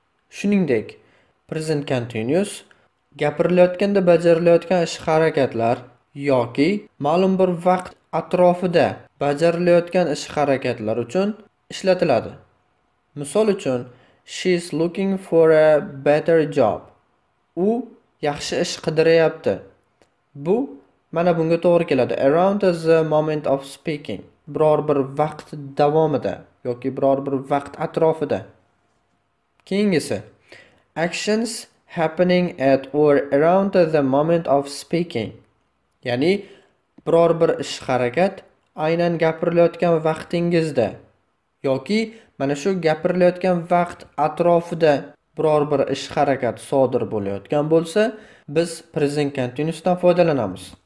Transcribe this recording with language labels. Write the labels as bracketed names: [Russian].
[Uzbek] Shuningdek, present continuous gapirilayotganda bajarilayotgan ish harakatlar yoki ma'lum bir vaqt atrofida bajarilayotgan ish harakatlar uchun ishlatiladi. Misol uchun, [English] she's looking for a better job. [Uzbek] U yaxshi ish qidirayapti. Bu Mana bunga to'g'ri keladi. [English] Around is the moment of speaking. [Uzbek] Biror bir vaqt davomida yoki biror bir vaqt atrofida. Keyingisi. [English] Actions happening at or around the moment of speaking. [Uzbek] Ya'ni biror bir ish harakat aynan gapirilayotgan vaqtingizda yoki mana shu gapirilayotgan vaqt atrofida biror bir ish harakat sodir bo'layotgan bo'lsa, biz present continuousdan foydalanamiz.